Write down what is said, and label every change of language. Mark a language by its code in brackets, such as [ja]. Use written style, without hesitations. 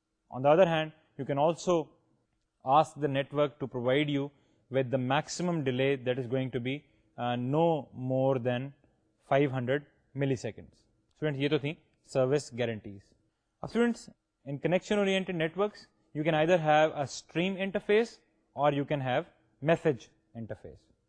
[en] On the other hand you can also ask the network to provide you with the maximum delay that is going to be no more than 500 milliseconds. [ur] Students, یہ تو تھیں service guarantees. [en] Students, in connection-oriented networks, you can either have a stream interface or you can have message interface.